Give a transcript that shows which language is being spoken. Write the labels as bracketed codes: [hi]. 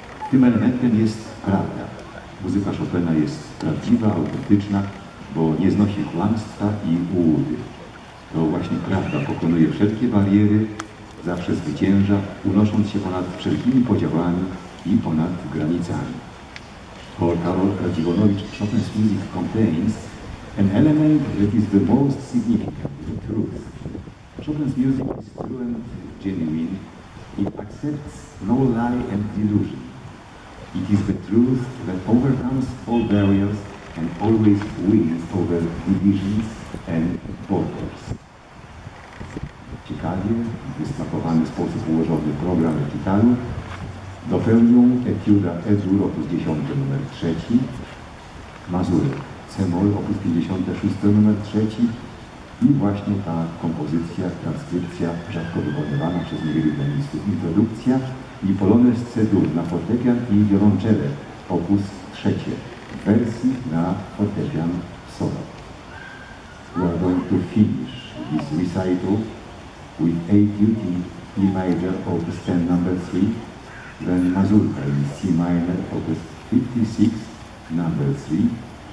[pl] Tym elementem jest prawda. Muzyka Chopina jest prawdziwa, autentyczna, bo nie znosi kłamstwa i ułudy. To właśnie prawda pokonuje wszelkie bariery, zawsze zwycięża, unosząc się ponad wszelkimi podziałami i ponad granicami. [en] To Karol Radziwonowicz, Chopin's music contains an element that is the most significant, the truth. Chopin's music is true and genuine. It accepts no lie and delusion. It is the truth that overcomes all barriers and always wins over divisions and borders. [pl] Ciekawie, w wysmakowany sposób ułożony program recitalu dopełnią etiuda Ezur opus 10 numer 3, Mazury C-moll opus 56 numer 3 i właśnie ta kompozycja, transkrypcja rzadko wykonywana przez niewielu pianistów, introdukcja i polonez C-dur na fortepian i wiolonczele opus 3 w wersji na fortepian solo. [en] We are going to finish this recital with A duty E major opus 10 number 3, then Mazurka in C minor opus 56 number 3.